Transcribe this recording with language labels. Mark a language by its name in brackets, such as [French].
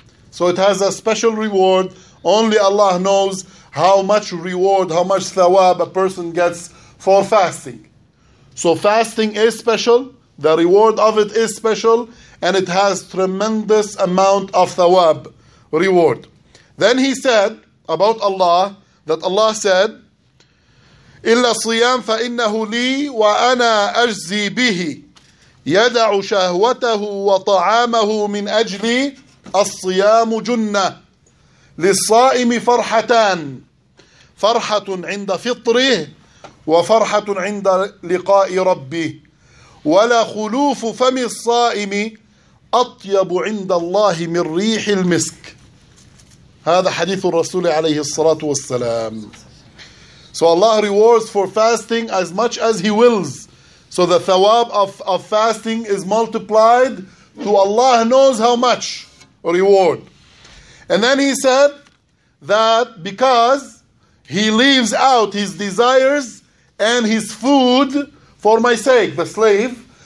[English] So it has a special reward. Only Allah knows how much reward, how much thawab a person gets for fasting. So fasting is special, the reward of it is special, and it has tremendous amount of thawab, reward. Then he said about Allah, that Allah said, [Arabic] إِلَّا صِيَامْ فَإِنَّهُ لِي وَأَنَا أَجْزِي بِهِ يَدَعُ شَهْوَتَهُ وَطَعَامَهُ مِنْ أَجْلِي الصِّيَامُ جُنَّةِ للصائم فرحتان، فرحة عند فطره وفرحة عند لقاء ربه، ولا خلوف فم الصائم أطيب عند الله من ريح المسك. هذا حديث الرسول عليه الصلاة والسلام. [English] So Allah rewards for fasting as much as He wills. So the thawab of fasting is multiplied to Allah knows how much reward. And then he said that because he leaves out his desires and his food for my sake, the slave,